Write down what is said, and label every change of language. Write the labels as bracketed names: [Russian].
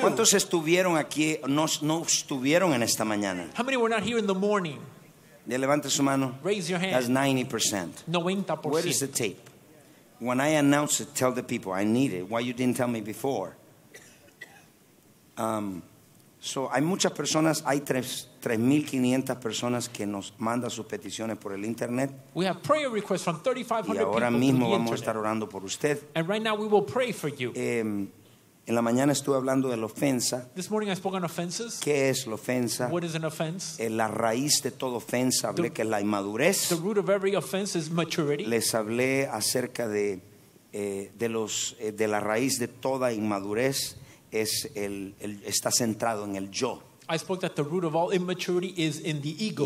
[Spanish] ¿Cuántos estuvieron aquí, no estuvieron en esta mañana? [English] How many were not here in the morning? [Spanish] Ya levante su mano. [English] Raise your hand. That's 90%. 90%. Where is the tape? When I announce it, tell the people I need it. Why you didn't tell me before? [Spanish] So hay muchas personas, hay 3,500 personas que nos manda sus peticiones por el internet. [English] We have prayer requests from 3,500 people. [Spanish] Y ahora mismo vamos [English] internet. [Spanish] A estar orando por usted. [English] And right now we will pray for you. [Spanish] En la mañana estuve hablando de la ofensa. [English] This morning I spoke on offenses. [Spanish] ¿Qué es la ofensa? [English] What is an offense? [Spanish] La raíz de toda ofensa, hablé que es la inmadurez. [English] The root of every offense is maturity. [Spanish] Les hablé acerca de la raíz de toda inmadurez es el está centrado en el yo. [English] I spoke that the root of all immaturity is in the ego.